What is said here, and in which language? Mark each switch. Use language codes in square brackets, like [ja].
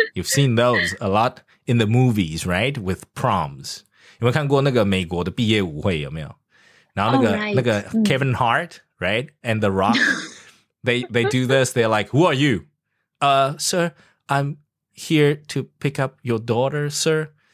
[en] You've seen those a lot in the movies, right? With proms. [zh] 有没有看过那个美国的毕业舞会有没有然后那个、 [en] oh, right. [zh] 那个 [en] Kevin Hart, right? And The Rock, they do this, they're like, who are you? Sir, I'm here to pick up your daughter, sir.